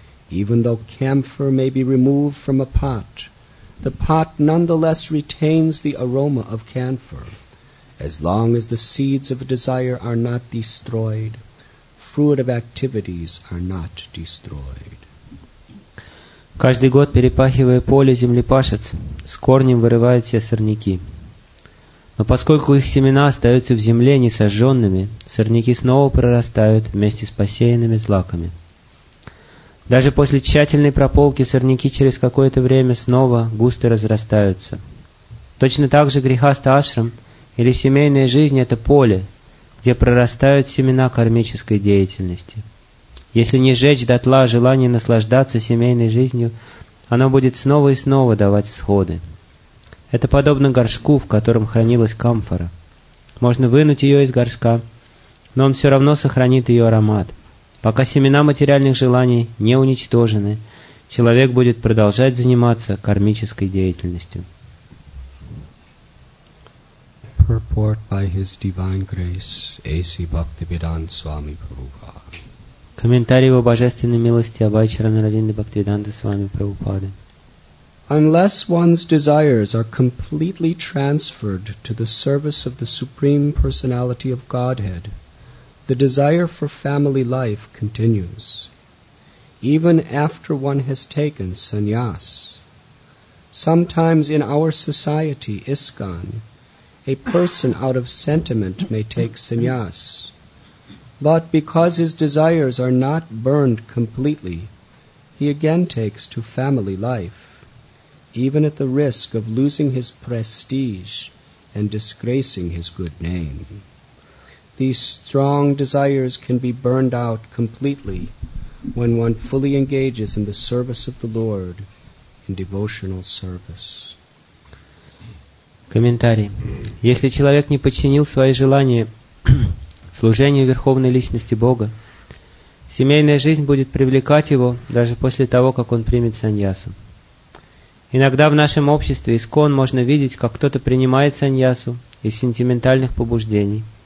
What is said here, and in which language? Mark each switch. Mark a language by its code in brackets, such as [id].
[en] Even though camphor may be removed from a pot, the pot nonetheless retains the aroma of camphor. As long as the seeds of desire are not destroyed, fruitive activities are not destroyed. [ru] Каждый год, перепахивая поле, землепашец с корнем вырывает все сорняки. Но поскольку их семена остаются в земле несожженными, сорняки снова прорастают вместе с посеянными злаками. Даже после тщательной прополки сорняки через какое-то время снова густо разрастаются. Точно так же грихастха ашрам или семейная жизнь – это поле, где прорастают семена кармической деятельности. Если не сжечь дотла желание наслаждаться семейной жизнью, оно будет снова и снова давать всходы. Это подобно горшку, в котором хранилась камфора. Можно вынуть ее из горшка, но он все равно сохранит ее аромат. Пока семена материальных желаний не уничтожены, человек будет продолжать заниматься кармической деятельностью. [en] Purport by His Divine Grace, A.C. Bhaktivedanta Swami Prabhupada. [ru] Комментарий его божественной милости Абхай Чарана-Равинды Бхактивиданта Свами Прабхупады. [en] Unless one's desires are completely transferred to the service of the Supreme Personality of Godhead, the desire for family life continues. Even after one has taken sannyas. Sometimes in our society, ISKCON, a person out of sentiment may take sannyas. But because his desires are not burned completely, he again takes to family life, even at the risk of losing his prestige and disgracing his good name. These strong desires can be burned out completely when one fully engages in the service of the Lord in devotional service. [ru] Комментарий. Если человек не подчинил свои желания служение Верховной Личности Бога, семейная жизнь будет привлекать его даже после того, как он примет саньясу. Иногда в нашем обществе ИСККОН можно видеть, как кто-то принимает саньясу из сентиментальных побуждений.